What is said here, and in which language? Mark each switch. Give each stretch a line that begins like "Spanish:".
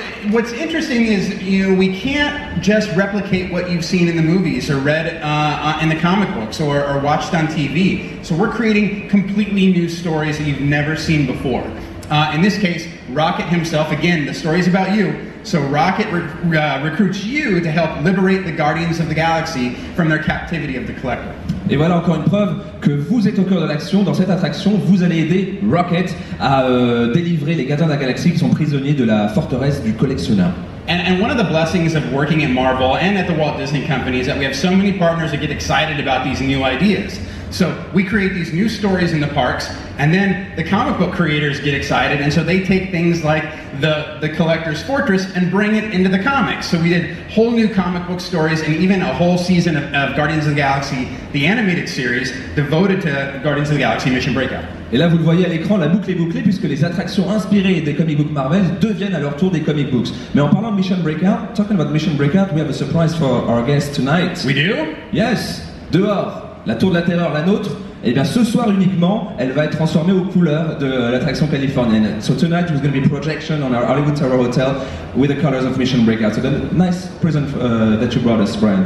English: What's interesting is, you know, we can't just replicate what you've seen in the movies or read in the comic books or watched on TV. So we're creating completely new stories that you've never seen before. In this case, Rocket himself, again, the story's about you. So Rocket recruits you to help liberate the Guardians of the Galaxy from their captivity of the Collector.
French: Et voilà encore une preuve que vous êtes au cœur de l'action. Dans cette attraction, vous allez aider Rocket à délivrer les gardiens de la galaxie qui sont prisonniers de la forteresse du collectionneur.
English: And one of the blessings of working at Marvel and at the Walt Disney Company is that we have so many partners that get excited about these new ideas. So we create these new stories in the parks, and then the comic book creators get excited, and so they take things like the Collector's Fortress and bring it into the comics. So we did whole new comic book stories and even a whole season of Guardians of the Galaxy, the animated series, devoted to Guardians of the Galaxy Mission Breakout.
French: Et là, vous le voyez à l'écran, la boucle est bouclée puisque les attractions inspirées des comic books Marvel deviennent à leur tour des comic books. Mais en parlant de Mission Breakout,
English: talking about Mission Breakout, we have a surprise for our guest tonight. We do? Yes.
French: Dehors, la Tour de la Terreur, la nôtre, et bien ce soir uniquement, elle va être transformée aux couleurs de l'attraction californienne.
English: So tonight, there's going to be projection on our Hollywood Tower Hotel with the colors of Mission Breakout. So that's a nice present that you brought us, Brian.